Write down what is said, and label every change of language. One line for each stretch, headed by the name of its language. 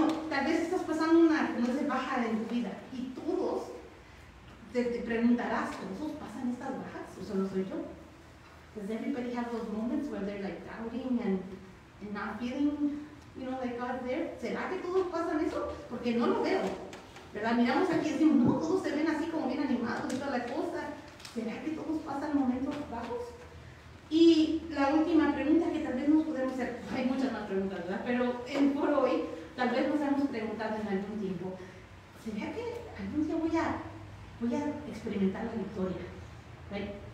Spanish: Tal vez estás pasando una baja en tu vida y todos te preguntarás, ¿todos pasan estas bajas? ¿O solo soy yo?
English: Does everybody have those moments where they're like doubting and not feeling, you know, like God there?
Spanish: ¿Será que todos pasan eso? Porque no lo veo, ¿verdad? Miramos aquí y decimos, no, todos se ven así como bien animados y toda la cosa. ¿Será que todos pasan momentos bajos? Y la última pregunta que tal vez nos podemos hacer, hay muchas más preguntas, ¿verdad? Pero por hoy, tal vez nos hemos preguntado en algún tiempo, ¿será que algún día voy a experimentar la victoria? ¿Right?